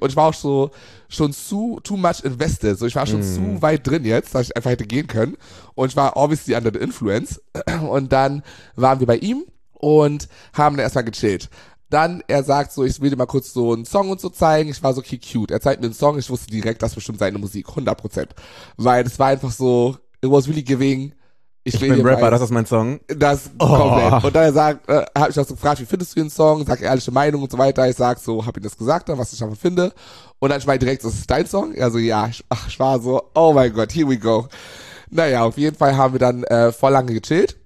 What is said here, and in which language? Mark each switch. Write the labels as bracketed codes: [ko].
[de] Und ich war auch so, schon zu, [en] too much invested. [de] So, ich war schon zu weit drin jetzt, dass ich einfach hätte gehen können. Und ich war [en] obviously under the influence. [de] Und dann waren wir bei ihm und haben dann erstmal gechillt. Dann, er sagt so, ich will dir mal kurz so einen Song und so zeigen. Ich war so, okay, cute. Er zeigt mir einen Song. Ich wusste direkt, das ist bestimmt seine Musik. 100%. Weil es war einfach so, [en] it was really giving. [de] Ich bin Rapper, das ist mein Song. Das komplett. Und dann hab ich auch so gefragt, wie findest du den Song? Sag ehrliche Meinung und so weiter. Ich sag so, hab ihm das gesagt, dann, was ich davon finde. Und dann schreibe ich direkt, das ist dein Song? Also ja, ich war so, oh mein Gott, [en] here we go. [de] Naja, auf jeden Fall haben wir dann voll lange gechillt.